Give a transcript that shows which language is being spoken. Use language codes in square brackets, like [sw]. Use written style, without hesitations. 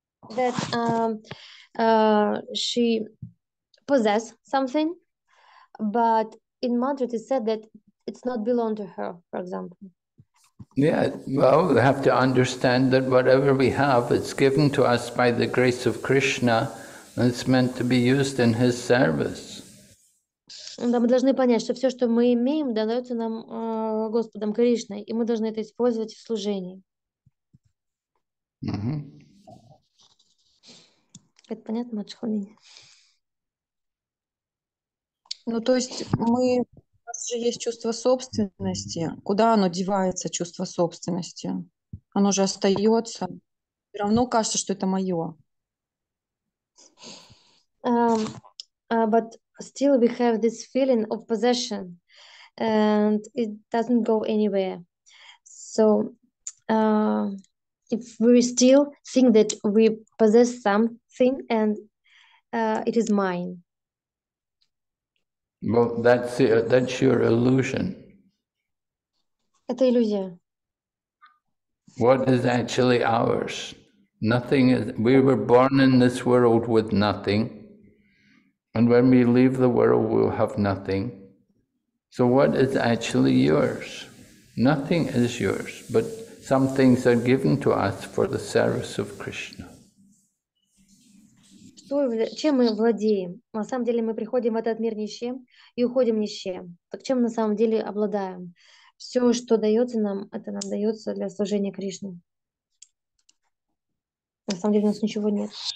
[en] That she possess something, but in mantra it is said that it's not belong to her, for example. Yeah, well, we have to understand that whatever we have, it's given to us by the grace of Krishna, and it's meant to be used in his service. [ru] Да, мы должны понять, что все, что мы имеем, дается нам Господом Кришной, и мы должны это использовать в служении. Это понятно, Маджхолини? Ну, то есть мы, у нас же есть чувство собственности. Куда оно девается, чувство собственности? Оно же остается. Все равно кажется, что это мое. [en] But still we have this feeling of possession and it doesn't go anywhere. So if we still think that we possess something and it is mine. Well, that's your illusion. [ru] Это иллюзия. [en] What is actually ours? Nothing is, we were born in this world with nothing. And when we leave the world, we'll have nothing. So what is actually yours? Nothing is yours, but some things are given to us for the service of Krishna. [ru] Что, чем мы владеем? На самом деле мы приходим в этот мир ни с чем и уходим ни с чем. Так чем на самом деле обладаем? Все, что дается нам, это нам дается для служения Кришне. На самом деле у нас ничего нет.